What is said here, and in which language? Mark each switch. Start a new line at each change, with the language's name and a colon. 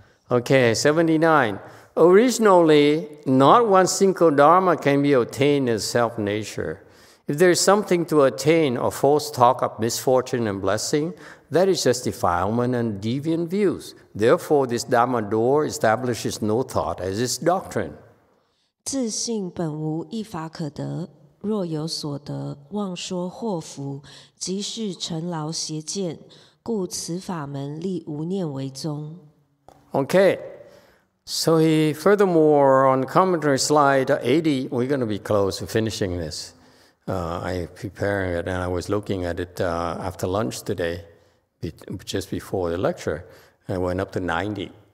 English: Okay, 79. Originally, not one single Dharma can be obtained as self-nature. If there is something to attain, or false talk of misfortune and blessing, that is just defilement and deviant views. Therefore, this Dharma door establishes no thought as its doctrine.
Chinese: 自信本无一法可得，若有所得，妄说祸福，即是尘劳邪见，故此法门立无念为宗。
English: Okay. So he furthermore on commentary slide 80, we're going to be close to finishing this. I'm preparing it, and I was looking at it after lunch today, just before the lecture, and I went up to 90.